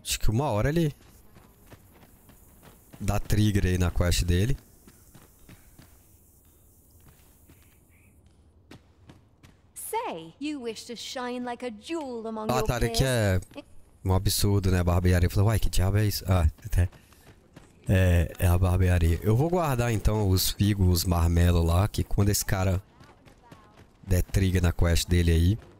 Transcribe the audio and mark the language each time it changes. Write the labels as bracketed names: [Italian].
[Portuguese] Acho que uma hora ele dá trigger aí na quest dele. [English] Say, you wish to shine like a jewel among your peers. [Portuguese] Ah, tá, que é um absurdo, né? A barbearia. Eu falei, uai, que diabo é isso? Ah, é a barbearia. Eu vou guardar então os figos, os marmelo lá, que quando esse cara der trigger na quest dele aí.